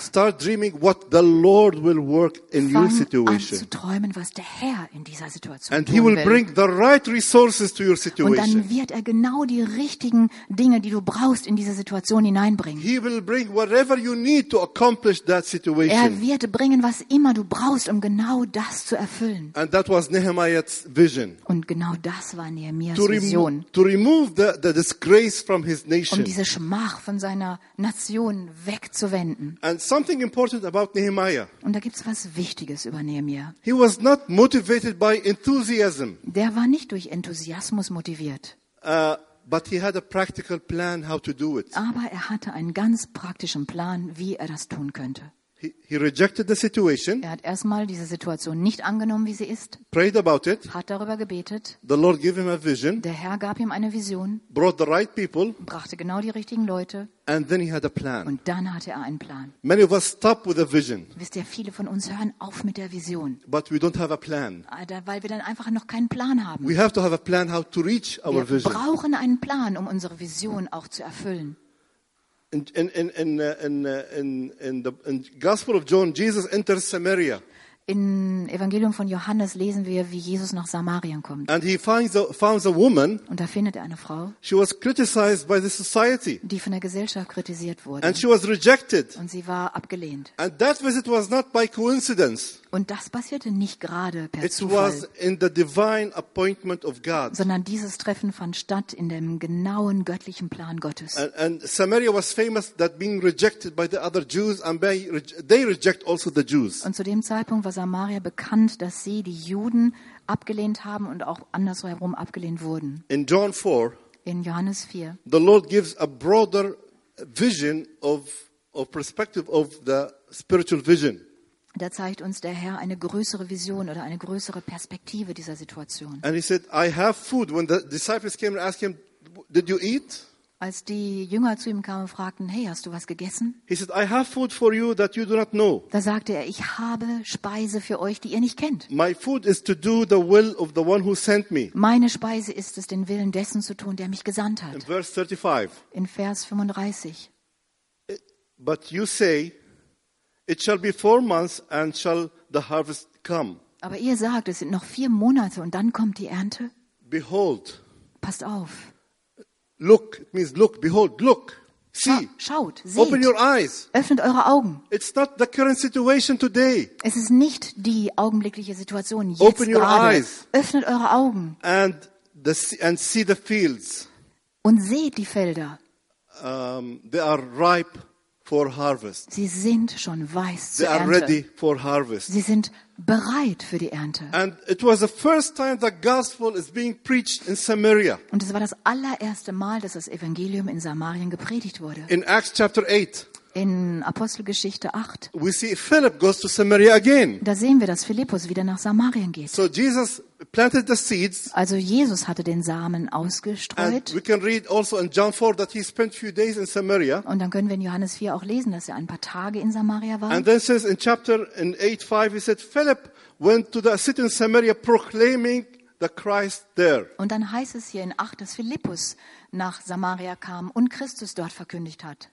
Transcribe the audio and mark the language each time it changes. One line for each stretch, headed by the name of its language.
English: Start dreaming what the Lord will work in your situation.
German: Fang an zu träumen, was der Herr in dieser Situation tun will.
English: And he will bring the right resources to your situation.
German: Und dann wird er genau die richtigen Dinge, die du brauchst, in diese Situation hineinbringen.
English: He will bring whatever you need to accomplish that situation.
German: Er wird bringen, was immer du brauchst, um genau das zu erfüllen.
English: And that was Nehemiah's vision.
German: Und genau das war Nehemias Vision.
English: To remove the disgrace from his nation.
German: Um diese Schmach von seiner Nation wegzuwenden.
English: And something important about Nehemiah.
German: Und da gibt's was Wichtiges über Nehemiah.
English: He was not motivated by enthusiasm.
German: Der war nicht durch Enthusiasmus motiviert.
English: But he had a practical plan how to do it.
German: Aber er hatte einen ganz praktischen Plan, wie er das tun könnte.
English: He rejected the situation.
German: Er hat erstmal diese Situation nicht angenommen, wie sie ist.
English: Prayed about it.
German: Hat darüber gebetet.
English: The Lord gave him a vision.
German: Der Herr gab ihm eine Vision.
English: Brought the right people.
German: Brachte genau die richtigen Leute.
English: And then he had a plan.
German: Und dann hatte er einen Plan.
English: Many of us stop with a vision.
German: Wisst ihr, viele von uns hören auf mit der Vision.
English: But we don't have a plan.
German: Weil wir dann einfach noch keinen Plan haben.
English: We have to have a plan how to reach our
German: wir
English: vision.
German: Wir brauchen einen Plan, um unsere Vision auch zu erfüllen.
English: In the Gospel of John, Jesus enters Samaria.
German: In Evangelium von Johannes lesen wir, wie Jesus nach Samarien kommt.
English: And he finds a woman.
German: Und da findet er eine Frau.
English: She was criticized by the society.
German: Die von der Gesellschaft kritisiert wurde.
English: And she was rejected.
German: Und sie war abgelehnt.
English: And that visit was not by coincidence.
German: Und das passierte nicht gerade per
English: It
German: Zufall.
English: It was in the divine appointment of God.
German: Sondern dieses Treffen fand statt in dem genauen göttlichen Plan Gottes.
English: And Samaria was famous that being rejected by the other Jews and they reject also the Jews.
German: Und zu dem Zeitpunkt war Samaria bekannt, dass sie die Juden abgelehnt haben und auch andersherum abgelehnt wurden.
English: In John 4,
German: in Johannes 4,
English: the Lord gives a broader vision of perspective of the spiritual vision.
German: Da zeigt uns der Herr eine größere Vision oder eine größere Perspektive dieser Situation.
English: And he said, I have food. When the disciples came and asked him, did you eat?
German: Als die Jünger zu ihm kamen und fragten, hey, hast du was gegessen?
English: He said, I have food for you that you do not know.
German: Da sagte er, ich habe Speise für euch, die ihr nicht kennt.
English: My food is to do the will of the one who sent me.
German: Meine Speise ist es, den Willen dessen zu tun, der mich gesandt hat.
English: In verse 35.
German: In Vers 35.
English: But you say, it shall be 4 months and shall the harvest come.
German: Aber ihr sagt, es sind noch 4 Monate und dann kommt die Ernte.
English: Behold.
German: Passt auf.
English: Look, it means look, behold, look, see.
German: Schaut, seht.
English: Open your eyes.
German: Öffnet eure Augen.
English: It's not the current situation today.
German: Es ist nicht die augenblickliche Situation jetzt gerade.
English: Open your eyes.
German: Öffnet eure Augen.
English: And see the fields.
German: Und seht die Felder.
English: They are ripe for harvest.
German: Sie sind schon weiß zur Ernte.
English: They are ready for harvest.
German: Sie sind bereit für die Ernte.
English: And it was the first time the gospel is being preached in Samaria.
German: Und es war das allererste Mal, dass das Evangelium in Samarien gepredigt wurde.
English: In Acts chapter 8.
German: In Apostelgeschichte 8.
English: We see Philip goes to Samaria again.
German: Da sehen wir, dass Philippus wieder nach Samarien geht.
English: So Jesus planted the seeds.
German: Also Jesus hatte den Samen ausgestreut.
English: And we can read also in John 4 that he spent few days in Samaria.
German: Und dann können wir in Johannes 4 auch lesen, dass er ein paar Tage in Samaria war.
English: And then says in chapter in 8:5 he said Philip went to the city in Samaria proclaiming the Christ there.
German: Und dann heißt es hier in 8, dass Philippus nach Samaria kam und Christus dort verkündigt hat.